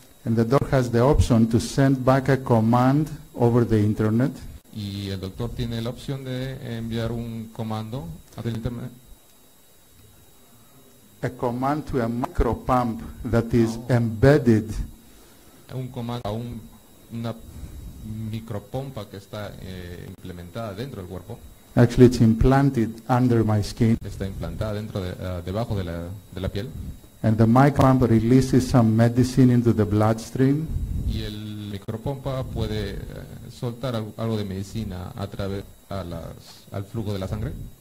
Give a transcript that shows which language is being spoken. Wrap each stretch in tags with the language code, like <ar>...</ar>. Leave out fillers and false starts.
<en>And the doctor has the option to send back a command over the internet.</en> <es>Y el doctor tiene la opción de enviar un comando al internet.</es> <en>A command to a micro pump that is embedded.</en> <es>Un comando a una micropompa que está implementada dentro del cuerpo.</es> <en>Actually, it's implanted under my skin.</en> <es>Está implantada dentro debajo de la piel.</es> <en>And the micropump releases some medicine into the bloodstream.</en> <es>Y el micropompa puede soltar algo de medicina a través al flujo de la sangre.</es>